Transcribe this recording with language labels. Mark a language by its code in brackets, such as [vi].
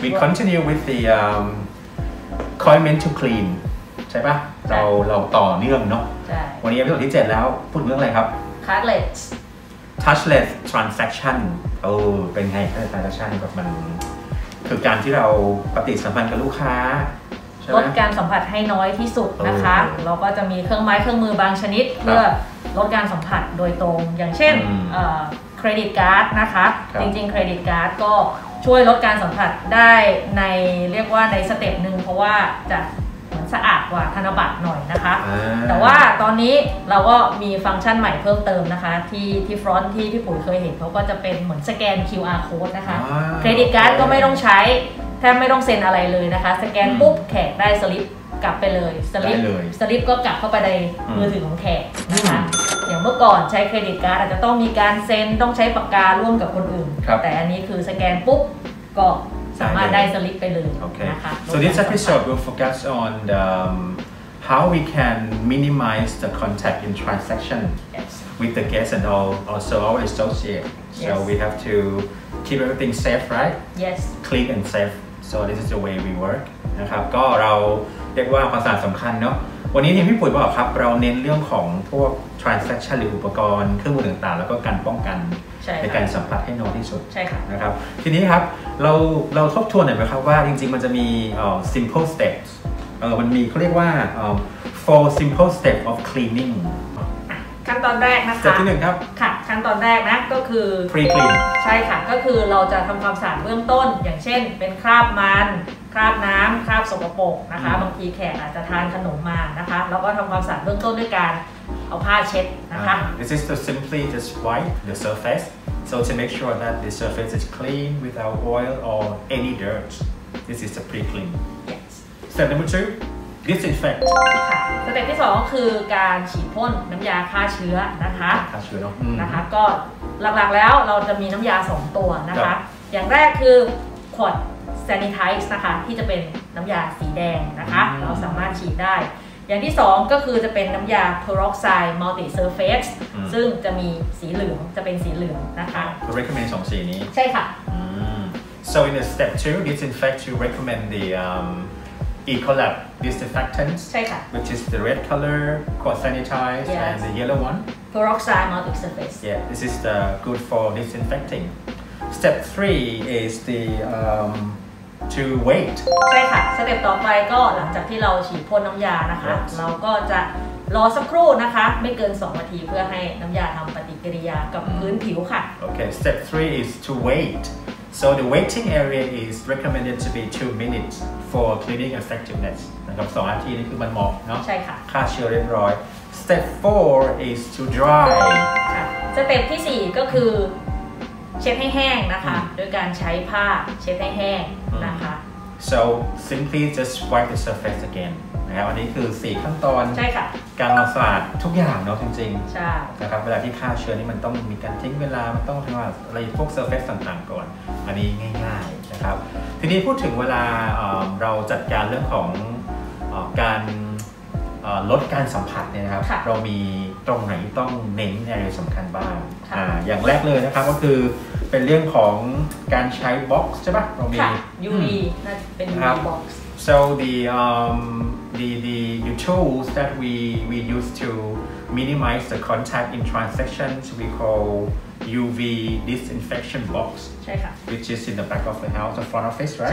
[en] We continue with the coin mint to clean. [th] ใช่ป่ะเราต่อเนื่องเนาะ ใช่ วันนี้เป็นตอนที่7แล้วพูดเรื่องอะไรครับ [en] Touchless [th] transaction โอ้เป็นไง Touchless transaction แบบมันคือการที่เราปฏิสัมพันธ์กับลูกค้า ลดการสัมผัสให้น้อยที่สุดนะคะเราก็จะมีเครื่องไม้เครื่องมือบางชนิดเพื่อลดการสัมผัสโดยตรงอย่างเช่นเครดิตการ์ดนะคะจริงๆเครดิตการ์ดก็ช่วยลดการสัมผัสได้ในเรียกว่าในสเต็ปหนึ่งเพราะว่าจะเหมือนสะอาดกว่าธนบัตรหน่อยนะคะแต่ว่าตอนนี้เราก็มีฟังก์ชันใหม่เพิ่มเติมนะคะที่ฟรอนท์ที่พี่ปุ๋ยเคยเห็นเขาก็จะเป็นเหมือนสแกน QR โค้ดนะคะเครดิตการ์ดก็ไม่ต้องใช้ แทบไม่ต้องเซ็นอะไรเลยนะคะสแกนปุ๊บแขกได้สลิปกลับไปเลยสลิปก็กลับเข้าไปในมือถือของแขกนะคะอย่างเมื่อก่อนใช้เครดิตการ์ดอาจจะต้องมีการเซ็นต้องใช้ปากการ่วมกับคนอื่นแต่ อัน นี้คือสแกนปุ๊บก็สามารถได้สลิปไปเลย [en] so this episode will focus on the, how we can minimize the contact in transaction with the guests and also our associate so we have to keep everything safe right yes clean and safe so this is the way we work [th] นะครับก็เราเรียกว่าภาษาสำคัญเนาะวันนี้ที่พี่ปุ๋ยบอกครับเราเน้นเรื่องของพวก transaction หรืออุปกรณ์เครื่องมือต่างๆแล้วก็การป้องกันในการสัมผัสให้น้อยที่สุด ใช่ค่ะ นะครับทีนี้ครับเราทบทวนหน่อยไหมครับว่าจริงๆมันจะมี simple steps มันมีเขาเรียกว่า [en] four simple steps of cleaning [th] ขั้นตอนแรกนะคะ ที่หนึ่งครับ ค่ะขั้นตอนแรกนะก็คือ [en] pre clean [th] ใช่ค่ะก็คือเราจะทำความสะอาดเบื้องต้นอย่างเช่นเป็นคราบมันคราบน้ำคราบสกปรกนะคะบางทีแขกอาจจะทานขนมมานะคะแล้วก็ทำความสะอาดเบื้องต้นด้วยการเอาผ้าเช็ดนะคะ [en] This is to simply just wipe the surface so to make sure that the surface is clean without oil or any dirt this is the pre clean yes step number 2 disinfect [th] ค่ะสเต็ปที่สองก็คือการฉีดพ่นน้ำยาฆ่าเชื้อนะคะ ฆ่าเชื้อเนาะ นะคะก็หลักๆแล้วเราจะมีน้ำยา2ตัวนะคะอย่างแรกคือขวดsanitize นะคะที่จะเป็นน้ำยาสีแดงนะคะเราสามารถฉีดได้อย่างที่2ก็คือจะเป็นน้ำยา peroxide multi surface ซึ่งจะมีสีเหลืองจะเป็นสีเหลืองนะคะ recommend 2สีนี้ ใช่ค่ะ [en] so in the step 2 disinfect you recommend the ecolab disinfectant [th] ใช่ค่ะ [en] which is the red color called sanitize yes. and the yellow one peroxide multi surface yeah this is the good for disinfecting step 3 is theto wait [th] ใช่ค่ะสเต็ปต่อไปก็หลังจากที่เราฉีดพ่นน้ำยานะคะ [en] yes. [th] เราก็จะรอสักครู่นะคะไม่เกิน2นาทีเพื่อให้น้ำยาทำปฏิกิริยากับพื้นผิวค่ะ [en] โอเค step 3 is to wait so the waiting area is recommended to be 2 minutes for cleaning effectiveness [th] นะครับ2นาทีนี่คือมันเหมาะเนาะ ใช่ค่ะ ฆ่าเชื้อเรียบร้อย [en] step 4 is to dry [th] สเต็ปที่4ก็คือเช็ดให้แห้งนะคะโดยการใช้ผ้าเช็ดให้แห้ง [en] So simply just wipe the surface again [th] นะครับอันนี้คือ4ขั้นตอน ใช่ค่ะ การทำความสะอาดทุกอย่างเนาะจริง ๆใช่ นะครับเวลาที่ฆ่าเชื้อนี่มันต้องมีการทิ้งเวลามันต้องทำความสะอาดอะไรพวก surface ต่างๆก่อนอันนี้ง่ายๆนะครับทีนี้พูดถึงเวลาเราจัดการเรื่องของการลดการสัมผัสเนี่ยนะครับเรามีตรงไหนต้องเน้นอะไรสำคัญบ้างอย่างแรกเลยนะครับก็คือเป็นเรื่องของการใช้บ็อกซ์ใช่ป่ะเรามี UV น่าเป็น UV box [en] so the tools that we use to minimize the contact in transactions we call UV disinfection box [th] ใช่ค่ะ [en] which is in the back of the house the front office right